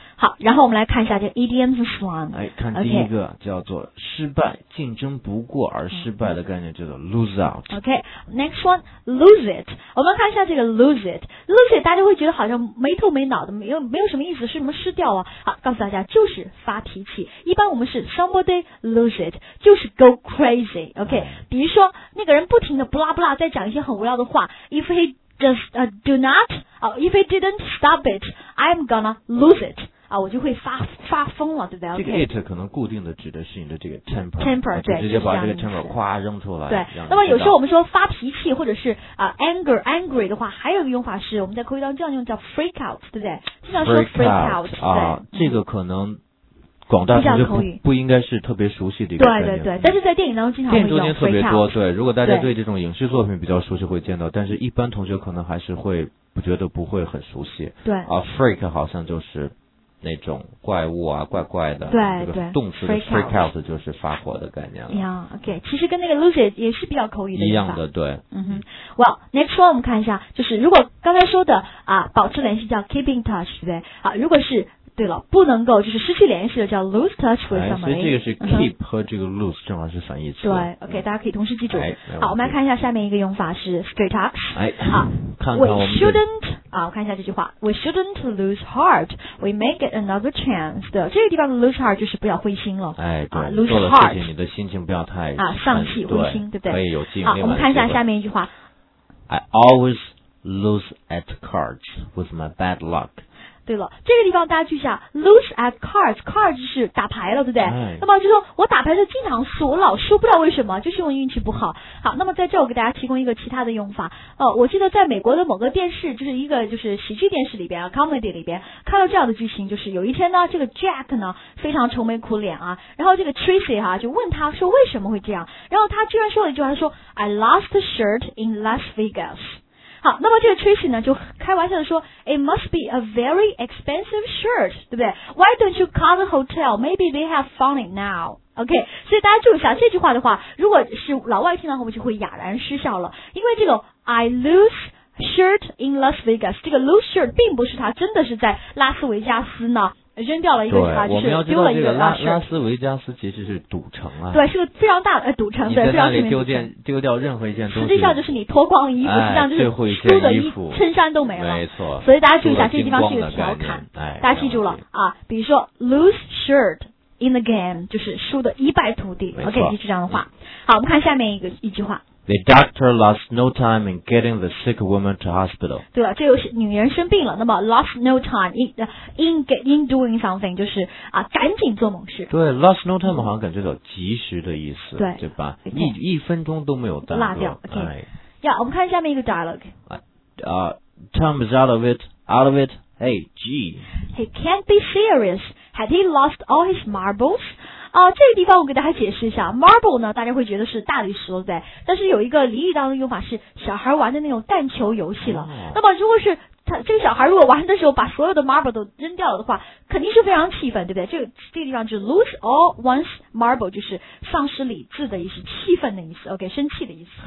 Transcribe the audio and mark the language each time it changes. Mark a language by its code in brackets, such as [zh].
[zh] 好，然后我们来看一下这个 idioms one。哎，看第一个叫做失败，竞争不过而失败的概念叫做 lose out。 [en] OK，next one lose it。 [zh] 我们看一下这个 lose it。lose it 大家会觉得好像没头没脑的，没有什么意思，是什么失掉啊？好，告诉大家就是发脾气。一般我们是 somebody lose it， 就是 go crazy。 [en] OK， [zh] 比如说那个人不停的不拉不拉在讲一些很无聊的话 [en] ，if he does do not， if he didn't stop it， I'm gonna lose it。 [zh] 啊，我就会发疯了，对不对？这个 it 可能固定的指的是你的这个 temper，对，直接把这个 temper 哗扔出来。对，那么有时候我们说发脾气或者是angry 的话，还有一个用法是我们在口语当中这样用，叫 freak out， 对不对？经常说 freak out 啊，这个可能。广大同学不应该是特别熟悉的一个概念，对对对，但是在电影当中经常会用。电影中间特别多，对。如果大家对这种影视作品比较熟悉，会见到，但是一般同学可能还是会不觉得不会很熟悉。对。啊 ，freak 好像就是那种怪物啊，怪怪的。对这个、动词的 freak out 就是发火的概念了。一样 ，OK， 其实跟那个 lose 也是比较口语的一样的，对。嗯哼 ， [en] Well， next one [zh] 我们看一下，就是如果刚才说的啊，保持联系叫 keep in touch， 对。啊，如果是。对了，不能够就是失去联系的叫 lose touch with somebody。哎，所以这个是 keep 和这个 lose 正好是反义词。对 ，OK，、大家可以同时记住。哎、好，我们来看一下下面一个用法是 straight up。哎，好，看看我们。 [en] We shouldn't [zh] 啊，我看一下这句话 [en] ，We shouldn't lose heart. We may get another chance. [zh] 对，这个地方的 lose heart 就是不要灰心了。哎，对、 lose heart，做了事情你的心情不要太丧气灰心，对不对？可以有进。好，我们看一下下面一句话。 [en] I always lose at cards with my bad luck。 [zh] 对了，这个地方大家记一下 lose at cards 就是打牌了，对不对、哎、那么就说我打牌就经常输，我老输，不知道为什么，就是因为运气不好。好，那么在这我给大家提供一个其他的用法。我记得在美国的某个电视，就是一个就是喜剧电视里边啊 comedy 里边看到这样的剧情，就是有一天呢，这个 Jack 呢非常愁眉苦脸啊，然后这个 Tracy 啊就问他说为什么会这样，然后他居然说了一句话，他说 [en] I lost the shirt in Las Vegas。 [zh] 好，那么这个 Tracy 呢就开玩笑的说 [en] It must be a very expensive shirt， 对不对？ Why don't you call the hotel? Maybe they have found it now。 [zh] OK， 所以大家注意一下这句话的话，如果是老外听到后面就会哑然失笑了，因为这个 [en] I lose shirt in Las Vegas， [zh] 这个 lose shirt 并不是他真的是在拉斯维加斯呢扔掉了一个，对，我们要知道这个拉斯维加斯其实是赌城啊，对，是个非常大的赌城，对，你在那里丢掉任何一件东西，实际上就是你脱光衣服，哎、实际上就是最后一件衣服衬衫都没了，没错，所以大家注意一下这个地方是一个调侃，哎，大家记住了啊，比如说 [en] lose shirt in the game [zh] 就是输的一败涂地 ，OK， 记住这样的话、好，我们看下面一句话。 [en] The doctor lost no time in getting the sick woman to hospital. [zh] 对了，这又是女人生病了，那么 lost no time in doing something 就是啊，赶紧做某事。对 ，lost no time 好像感觉到及时的意思，对，对吧？一分钟都没有耽搁。落掉。OK， 我们看下面一个 dialogue。 [en] Tom is out of it. Hey, gee. He can't be serious. Had he lost all his marbles? [zh] 这个地方我给大家解释一下 ,marble 呢大家会觉得是大理石，对，但是有一个俚语当中用法是小孩玩的那种弹球游戏了。那么如果是他这个小孩如果玩的时候把所有的 marble 都扔掉了的话，肯定是非常气愤，对不对？这个地方就是 lose all one's marble, 就是丧失理智的意思，气愤的意思， OK, 生气的意思。